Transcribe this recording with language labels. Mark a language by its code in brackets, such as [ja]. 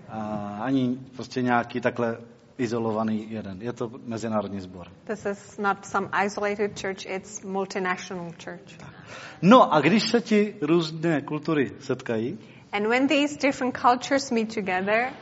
[cs] A ani prostě nějaký takhle izolovaný jeden. Je to mezinárodní sbor. [en] This is not some isolated church, it's multinational church. [cs] No a když se ti různé kultury setkají... [en] And when these different cultures meet together...